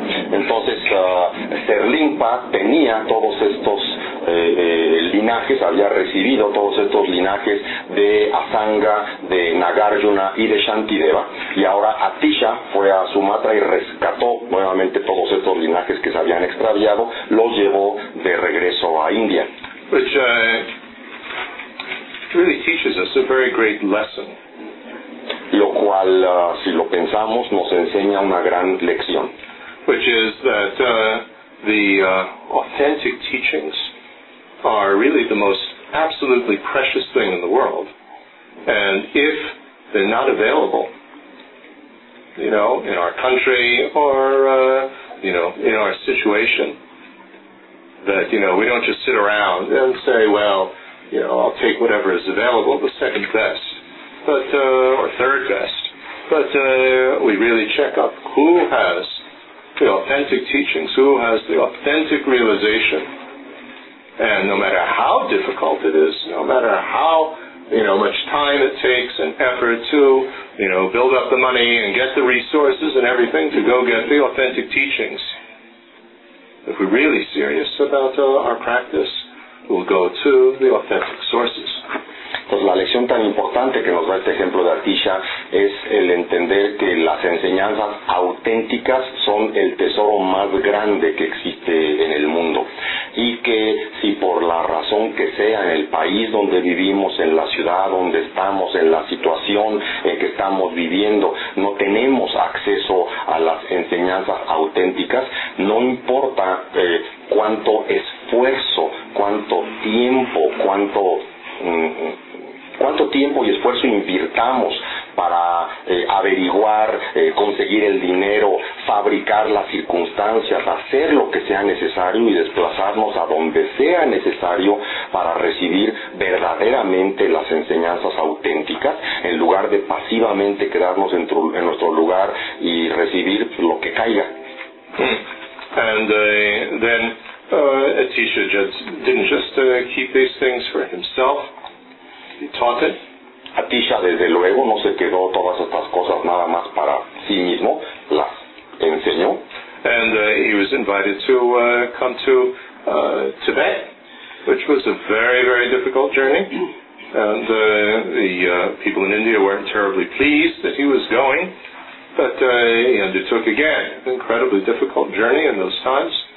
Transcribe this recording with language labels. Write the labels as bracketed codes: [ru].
[es] Entonces, Sirlingpa tenía todos estos linajes, había recibido todos estos linajes de Asanga, de Nagarjuna y de Shantideva. Y ahora Atisha fue a Sumatra y rescató nuevamente todos estos linajes que se habían extraviado, los llevó de regreso a India. [en] Which really teaches us a very great lesson. [es] Lo cual, si lo pensamos, nos enseña una gran lección. [en] Which is that the authentic teachings are really the most absolutely precious thing in the world. And if they're not available, you know, in our country or, you know, in our situation, that, you know, we don't just sit around and say, well, you know, I'll take whatever is available, the second best. But or third best, but we really check up who has the authentic teachings, who has the authentic realization, and no matter how difficult it is, no matter how much time it takes and effort to build up the money and get the resources and everything to go get the authentic teachings, if we're really serious about our practice, we'll go to the authentic sources. [es] Pues la lección tan importante que nos da este ejemplo de Atisha es el entender que las enseñanzas auténticas son el tesoro más grande que existe en el mundo. Y que si por la razón que sea, en el país donde vivimos, en la ciudad donde estamos, en la situación en que estamos viviendo, no tenemos acceso a las enseñanzas auténticas, no importa cuánto esfuerzo, cuánto tiempo y esfuerzo invirtamos para averiguar, conseguir el dinero, fabricar las circunstancias, hacer lo que sea necesario y desplazarnos a donde sea necesario para recibir verdaderamente las enseñanzas auténticas, en lugar de pasivamente quedarnos en nuestro lugar y recibir lo que caiga. [en] And then Atisha didn't just keep these things for himself. He taught it. [es] Atisha, desde luego, no se quedó todas estas cosas nada más para sí mismo. Las enseñó. [en] And he was invited to come to Tibet, which was a very, very difficult journey. And the people in India weren't terribly pleased that he was going. But he undertook again an incredibly difficult journey in those times.